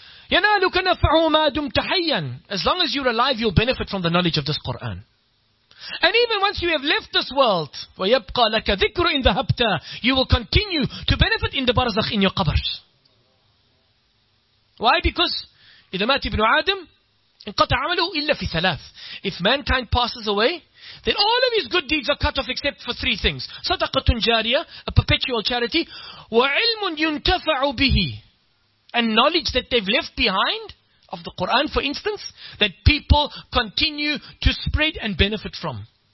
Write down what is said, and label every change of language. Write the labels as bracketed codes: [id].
[ar] يَنَالُكَ نَفْعُهُ مَا دُمْتَ حَيًّا. [en] As long as you're alive, you'll benefit from the knowledge of this Quran. And even once you have left this world, [ar] وَيَبْقَى لَكَ ذِكْرُ إِنْ ذَهَبْتَ. [en] You will continue to benefit in the barzakh, in your qabr. Why? Because [ar] إِذَا مَاتِ ابْنُ عَادِمٍ انْقَطَ عَمَلُهُ إِلَّا فِي ثَلَاثٍ. [en] If mankind passes away, then all of his good deeds are cut off except for three things. Sadaqatun jariyah, a perpetual charity. [ar] وَعِلْمٌ يُنْتَفَعُ بِهِ. [en] And knowledge that they've left behind of the Quran, for instance, that people continue to spread and benefit from.